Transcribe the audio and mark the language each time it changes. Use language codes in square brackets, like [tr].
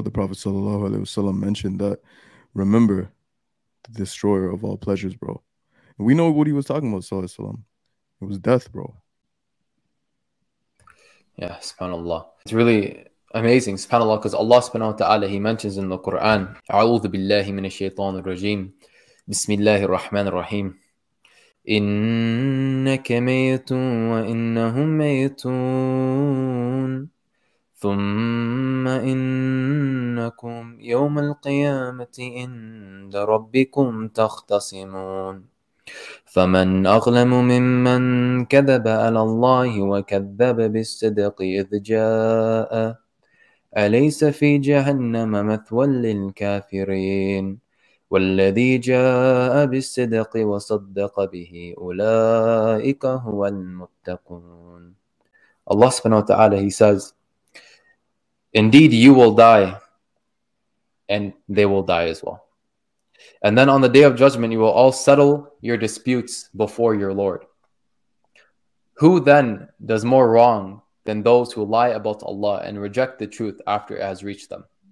[en] The Prophet sallallahu alaihi wasallam mentioned that. Remember, the destroyer of all pleasures, bro. And we know what he was talking about, sallallahu alaihi wasallam. It was death, bro. Yeah, subhanAllah. It's really amazing, subhanAllah, because Allah subhanahu wa ta'ala, he mentions in the Quran, A'udhu billahi minash shaitanir rajim. Bismillahir rahmanir rahim. [ar] إنك ميت وإنهم ميتون ثم إنكم يوم القيامة عند ربكم تختصمون فمن أظلم ممن كذب على الله وكذب بالصدق إذ جاءه أليس في جهنم مثوى للكافرين والذي جاء بالصدق وصدق به أولئك هو المتقون. [en] Allah subhanahu wa ta'ala, he says, indeed you will die and they will die as well. And then on the day of judgment, you will all settle your disputes before your Lord. Who then does more wrong than those who lie about Allah and reject the truth after it has reached them?